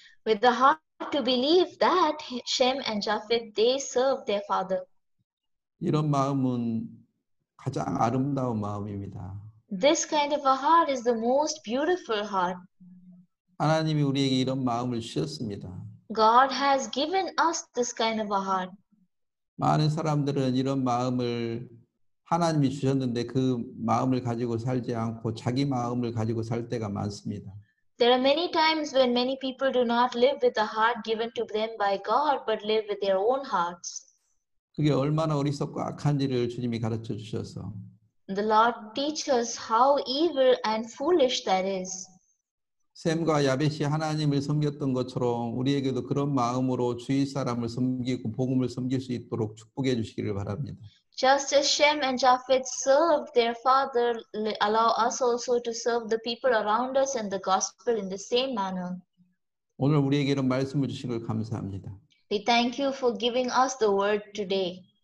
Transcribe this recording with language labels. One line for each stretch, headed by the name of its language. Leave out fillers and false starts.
English: With the heart to believe that Shem and Japheth they served their father.
Korean: 이런 마음은 가장 아름다운 마음입니다.
English: This kind of a heart is the most beautiful heart.
Korean: 하나님이 우리에게 이런 마음을 주셨습니다.
English: God has given us this kind of a heart.
Korean: 많은 사람들은 이런 마음을 하나님이 주셨는데 그 마음을 가지고 살지 않고 자기 마음을 가지고 살 때가 많습니다.
English: There are many times when many people do not live with the heart given to them by God but live with their own hearts.
Korean: 그게 얼마나 어리석고 악한지를 주님이 가르쳐 주셔서
English: The Lord teaches how evil and foolish that is.
Korean: 샘과 야벳이 하나님을 섬겼던 것처럼 우리에게도 그런 마음으로 주위 사람을 섬기고 복음을 섬길 수 있도록 축복해 주시기를 바랍니다.
English: Just as Shem and Japheth served their father, allow us also to serve the people around us and the gospel in the same manner.
Korean: 오늘 우리에게 이런 말씀을 주신 걸 감사합니다.
English: We thank you for giving us the word today.